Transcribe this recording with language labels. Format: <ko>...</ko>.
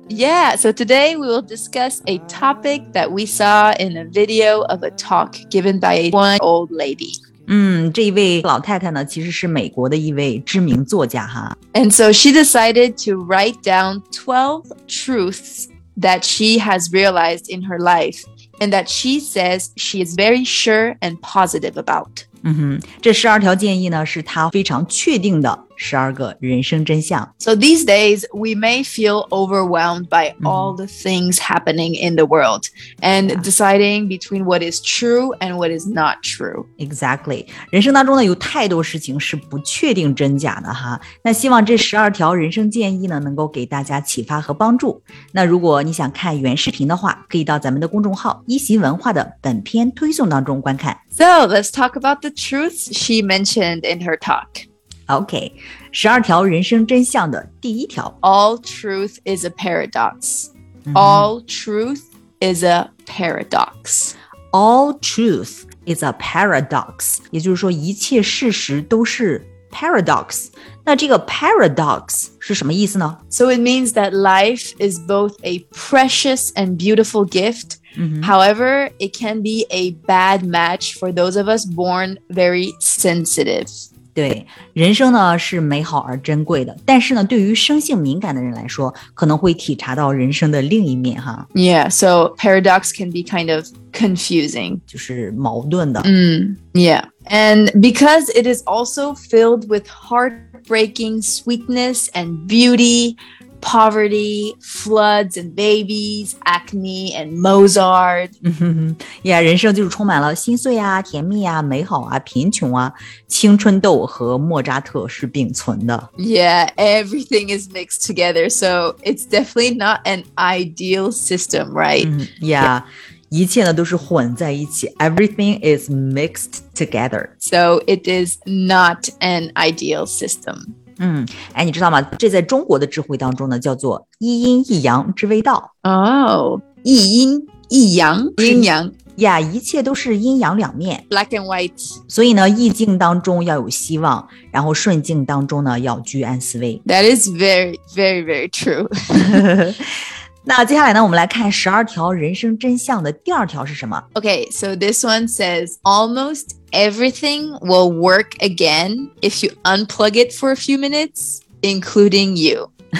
<en>Yeah, so today we will discuss a topic that we saw in a video of a talk given by one old lady.</en> <zh>这一位老太太呢其实是美国的一位知名作家哈。</zh> <en>And so she decided to write down 12 truths that she has realized in her life and that she says she is very sure and positive about.</en> <zh>这十二条建议呢是她非常确定的十二个人生真相。</zh> <en>So these days, we may feel overwhelmed by all the things happening in the world and deciding between what is true and what is not true. Exactly.</en> <zh>人生当中呢有太多事情是不确定真假的哈。那希望这十二条人生建议呢能够给大家启发和帮助。那如果你想看原视频的话可以到咱们的公众号一席文化的本篇推送当中观看。</zh> <en>So let's talk about the truths she mentioned in her talk.</en> <zh>Okay, 十二条人生真相的第一条</zh> <en>All truth is a paradox. All truth is a paradox. All truth is a paradox.</en> <zh>也就是说一切事实都是 paradox. 那这个 paradox 是什么意思呢</zh> <en>So it means that life is both a precious and beautiful gift. However, it can be a bad match for those of us born very sensitive.</en> <zh>对，人生呢是美好而珍贵的，但是呢，对于生性敏感的人来说，可能会体察到人生的另一面哈。</zh> <en>Yeah, so paradox can be kind of confusing.</en> <zh>就是矛盾的。</zh> <en>Yeah, and because it is also filled with heartbreaking sweetness and beauty, poverty, floods and babies, acne and Mozart.</en> <zh>Yeah, 人生就是充满了心碎啊、甜蜜啊、美好啊、贫穷啊。青春痘和莫扎特是并存的。</zh> <en>Yeah, everything is mixed together, so it's definitely not an ideal system, right?</en> <zh>Yeah, 一切呢都是混在一起。</zh> <en>Everything is mixed together. So it is not an ideal system.</en> <zh>哎，你知道吗？这在中国的智慧当中呢，叫做一阴一阳之谓道。哦，一阴一阳，阴阳。呀，一切都是阴阳两面</zh> <en>，black and white。</en> <zh>所以呢，逆境当中要有希望，然后顺境当中呢要居安思危。</zh> <en>That is very, very, very true.</en> <zh>那接下来呢，我们来看十二条人生真相的第二条是什么</zh> <en>？Okay, so this one says almost. Everything will work again if you unplug it for a few minutes, including you.</en>